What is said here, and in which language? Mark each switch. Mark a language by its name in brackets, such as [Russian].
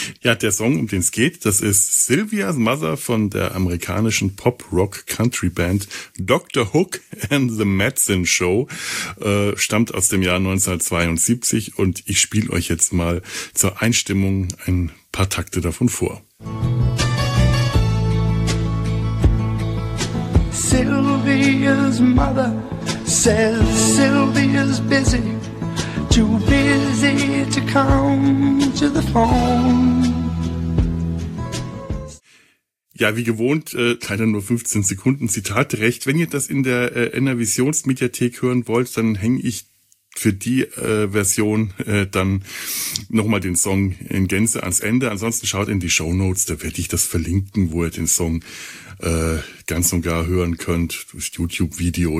[German] Ja, der Song, um den es geht, das ist Sylvia's Mother von der amerikanischen Pop-Rock-Country-Band Dr. Hook and the Madsen Show, stammt aus dem Jahr 1972 und ich spiele euch jetzt mal zur Einstimmung ein paar Takte davon vor. [English] Sylvia's mother says Sylvia's busy, too busy to come to the phone. [German] Ja, wie gewohnt, leider nur 15 Sekunden Zitatrecht. Wenn ihr das in der Enervisionsmediathek hören wollt, dann hänge ich für die Version dann nochmal den Song in Gänze ans Ende. Ansonsten schaut in die Shownotes, da werde ich das verlinken, wo ihr den Song ganz und gar hören könnt, durch YouTube-Video.